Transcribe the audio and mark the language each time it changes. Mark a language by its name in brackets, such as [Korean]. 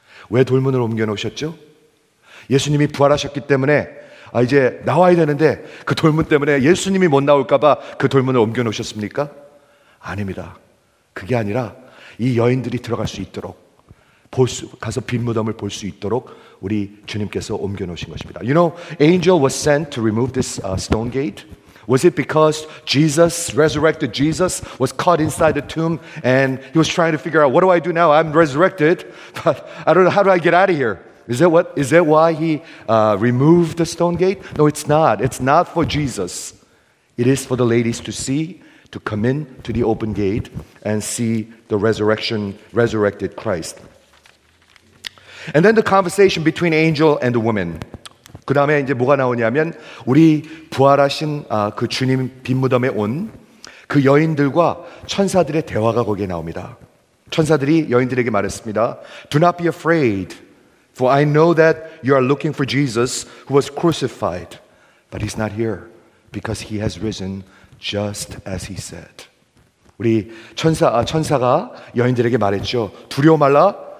[Korean] 왜 돌문을 옮겨놓으셨죠? 예수님이 부활하셨기 때문에 이제 나와야 되는데 그 돌문 때문에 예수님이 못 나올까봐 그 돌문을 옮겨놓으셨습니까? 아닙니다. 그게 아니라 이 여인들이 들어갈 수 있도록 가서 빈무덤을 볼 수 있도록 우리 주님께서 옮겨놓으신 것입니다. [English] You know, angel was sent to remove this stone gate. Was it because Jesus, resurrected Jesus, was caught inside the tomb and he was trying to figure out, what do I do now? I'm resurrected, but I don't know, how do I get out of here? Is that why he removed the stone gate? No, it's not. It's not for Jesus. It is for the ladies to see, to come in to the open gate and see the resurrected Christ. And then the conversation between angel and the woman. [Korean] 그 다음에 이제 뭐가 나오냐면 우리 부활하신 그 주님 빈무덤에 온 그 여인들과 천사들의 대화가 거기에 나옵니다. 천사들이 여인들에게 말했습니다. [English] Do not be afraid, for I know that you are looking for Jesus who was crucified, but he's not here because he has risen just as he said. [Korean] 우리 천사가 여인들에게 말했죠. 두려워 말라.